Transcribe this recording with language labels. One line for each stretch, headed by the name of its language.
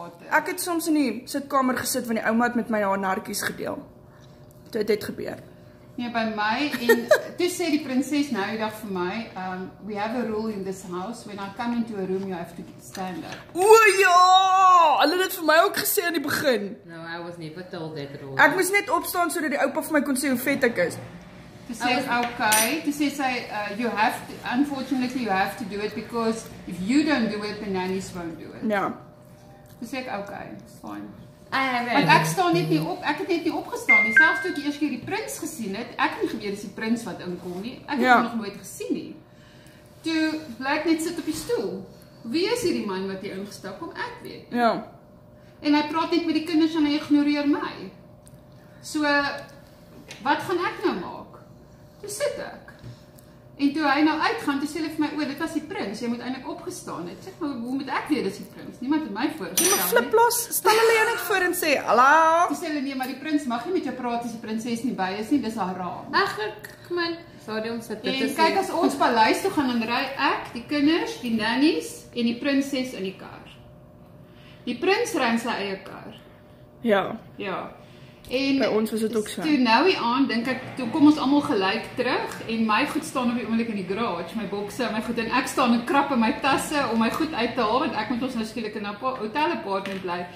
Afrikaans: Ek het soms in die sitkamer gesit van die ouma met my haar nartjies gedeel. Toe het dit gebeur. Nee, by my en toe sê die prinses nou die dag vir my,
English: we have a rule in this house, when I come into a room you have to stand up.
Afrikaans: O ja! Hulle het dit vir my ook gesê aan die begin.
English: No, I was never told that rule.
Afrikaans: Ek moes net opstaan sodat die oupa vir my kon sê hoe vet ek is.
English: To say okay, to say you have to, unfortunately you have to do it because if you don't do it, the nannies won't do it.
Afrikaans: Ja.
English: To say okay, it's fine.
Afrikaans: Want ek staan net nie op, ek het net nie opgestaan nie, selfs toe ek eers keer die prins gesien het, ek het nie geweet dis die prins wat inkom nie, ek het hom nog nooit gesien nie. Toe bly ek net sit op die stoel, wie is hierdie man wat hier ingestap kom, ek weet. Ja. En hy praat net met die kinders en hy ignoreer my. So, wat gaan ek nou maak? Toe sit ek. En toe hy nou uitgaan, toe sê hulle vir my, dit was die prins, jy moet eintlik opgestaan het. Sê maar, hoe moet ek weet dis die prins? Niemand het my voorgestel nie. Flip los, stel hulle jou net voor en sê, hallo. Toe sê hulle, nee, maar die prins mag nie met jou praat as die prinses nie by is nie, dis haar raam. Ag, man. Sorry, ons het dit gesê. En kyk, as ons paleis toe gaan, dan ry ek, die kinders, die nannies en die prinses in die kar. Die prins ry in sy eie kar. Ja. Ja. En by ons was het ook so. Toe nou die aand, denk ek, toe kom ons allemaal gelijk terug, en my goed staan op die oomblik in die garage, my bokse, my goed, en ek staan en krap in my tasse, om my goed uit te haal, want ek moet ons nou skielik in een hotel apartment bly.